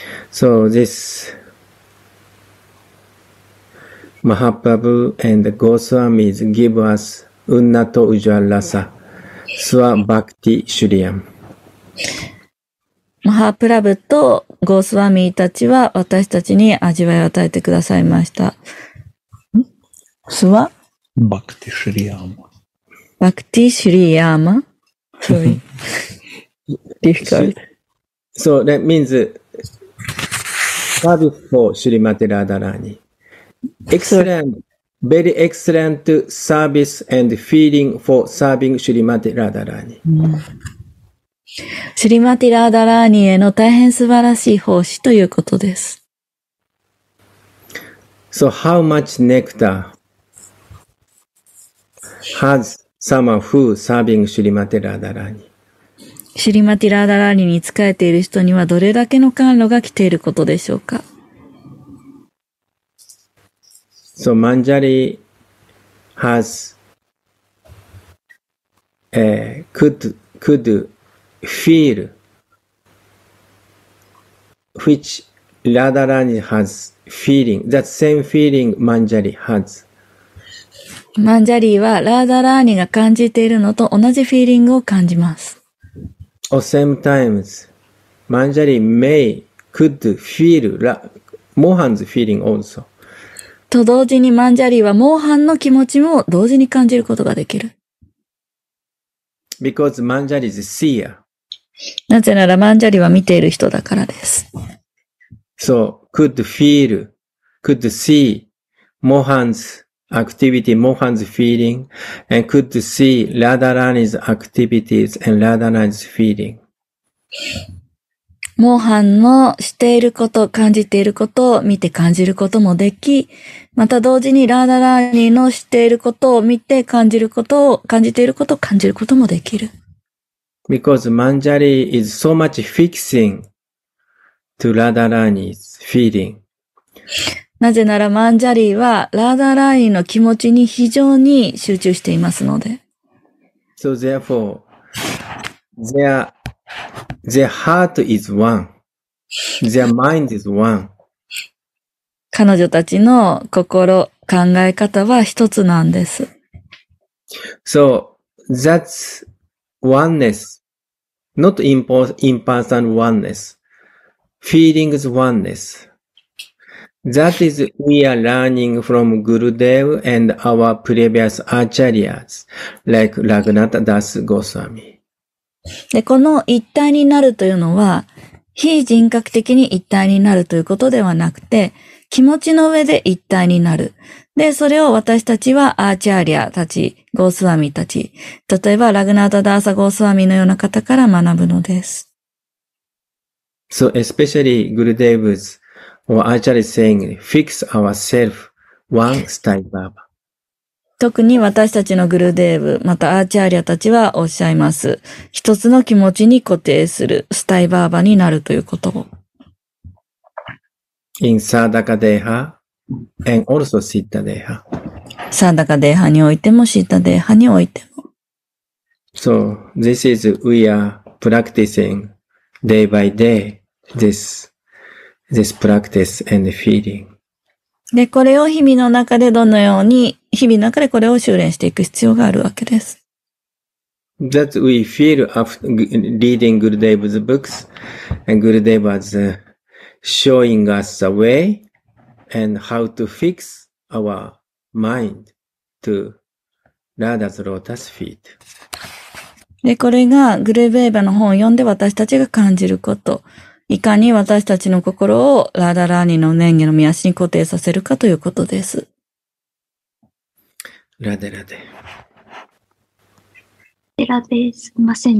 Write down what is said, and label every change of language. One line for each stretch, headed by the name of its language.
English: So this Mahaprabhu and Goswami give us Unnato Ujjwalasa Swa Bhakti Shriyam.
Japanese: マハープラブとゴースワミーたちは私たちに味わいを与えてくださいました。スワ？バクティ・シュリヤーマ。バクティ・シュリヤーマ？
English: ディフィカル。 So that means service for Shrimati Radharani. Excellent, very excellent service and feeling for serving Shrimati Radharani.
Japanese: シュリマティ・ラーダラーニへの大変素晴らしい奉仕ということです。
English: So how much nectar has someone who serving シュリマティ・ラーダラーニ？
Japanese: シュリマティ・ラーダラーニに仕えている人にはどれだけの甘露が来ていることでしょうか？
English: So Manjari has could feel which Radharani has feeling, that same feeling Manjari has.
Japanese: Manjari はラーダラーニが感じているのと同じフィーリングを感じます。
English: Or sometimes Manjari could feel Mohan's feeling also.
Japanese: と同時にマンジャリーはモーハンの気持ちも同時に感じることができる。
English: Because マンジャリー is seer.
Japanese: なぜならマンジャリーは見ている人だからです。
English: So, could feel, could see Mohan's activity, Mohan's feeling, and could see Radharani's activities and Radharani's feeling.
Japanese: モーハンのしていること、感じていることを見て感じることもでき、また同時にラーダラーニーのしていることを見て感じることを、感じていることを感じることもできる。
English: Because Manjari is so much fixing to ラーダラーニー's feeling.
Japanese: なぜならマンジャリーはラーダラーニーの気持ちに非常に集中していますので。
English: So therefore, there,Their heart is one. Their mind is one.
Japanese: 彼女たちの心、考え方は一つなんです。
English: So, that's oneness. Not impersonal oneness. Feelings oneness. That is we are learning from Gurudev and our previous acharyas, like Raghunatha Das Goswami.
Japanese: で、この一体になるというのは、非人格的に一体になるということではなくて、気持ちの上で一体になる。で、それを私たちはアーチャーリアたち、ゴースワミたち、例えばラグナータダーサゴースワミのような方から学ぶのです。
English: So, especially Gurudev's or Acharya saying, fix ourself one style baba.
Japanese: 特に私たちのグルデーブ、またアーチャーリアたちはおっしゃいます。一つの気持ちに固定する、スタイバーバになるということを。
English: In Sadaka Deha and also Sitta Deha.
Japanese: Sadaka Deha においても、Sitta Deha においても。
English: So, this is we are practicing day by day, this practice and feeling.
Japanese: で、これを日々の中でどのように、日々の中でこれを修練していく必要があるわけです。
English: That we feel after reading Gurudev's books, and Gurudev was showing us the way and how to fix our mind to Radha's lotus feet.
Japanese: で、これがグルデーヴァの本を読んで私たちが感じること。いかに私たちの心をラダラーニの念下の御足に固定させるかということです。ラデラデ。ラデラデ、すみません。